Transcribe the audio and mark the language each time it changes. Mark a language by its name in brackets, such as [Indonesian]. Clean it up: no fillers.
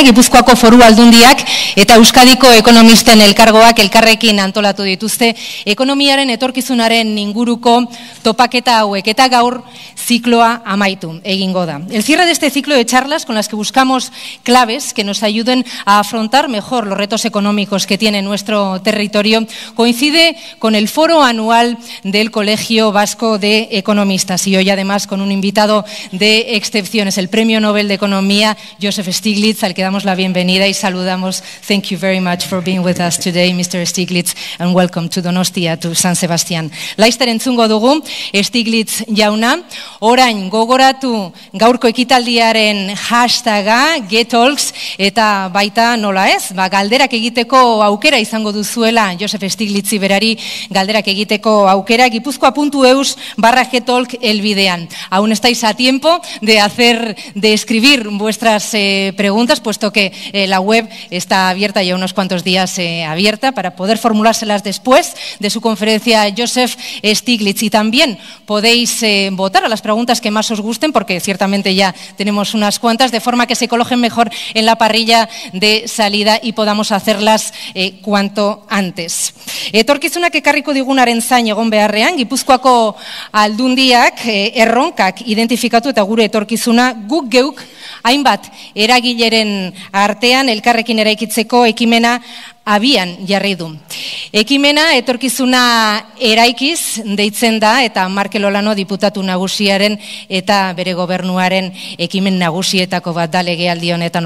[Basque] Gipuzkoako Foru Aldundiak eta Euskadiko Ekonomisten Elkargoak elkarrekin antolatu dituzte ekonomiaren etorkizunaren inguruko topaketa hauek eta gaur zikloa amaitu egingo da. [Spanish] El cierre de este ciclo de charlas con las que buscamos claves que nos ayuden a afrontar mejor los retos económicos que tiene nuestro territorio coincide con el foro anual del Colegio Vasco de Economistas y hoy además con un invitado de excepciones, el Premio Nobel de Economía, Joseph Stiglitz, al que damos la bienvenida y saludamos. [English] Thank you very much for being with us today, Mr. Stiglitz, and welcome to Donostia, to San Sebastián. [Basque] Laister entzungo dugu, Stiglitz jauna, orain gogoratu gaurko ekitaldiaren hashtaga, GetTalks, eta baita nola ez, ba, galderak egiteko aukera izango duzuela, Joseph Stiglitz berari galderak egiteko aukera, gipuzkoa.eus/GetTalk, bidean. [Spanish] Aún estáis a tiempo de escribir vuestras preguntas, puesto que la web está abierta, ya unos cuantos días abierta, para poder formulárselas después de su conferencia Joseph Stiglitz. Y también podéis votar a las preguntas que más os gusten, porque ciertamente ya tenemos unas cuantas, de forma que se colojen mejor en la parrilla de salida y podamos hacerlas cuanto antes. [Basque] Etorkizunak ekarriko digunaren zain egon beharrean, Gipuzkoako aldundiak erronkak identifikatu eta gure etorkizuna guk geuk hainbat eragileren artean elkarrekin eraikitzeko ekimena abian jarri du. Ekimena etorkizuna eraikiz deitzen da eta Markel Olano diputatu nagusiaren eta bere gobernuaren ekimen nagusietako bat da legealdi honetan.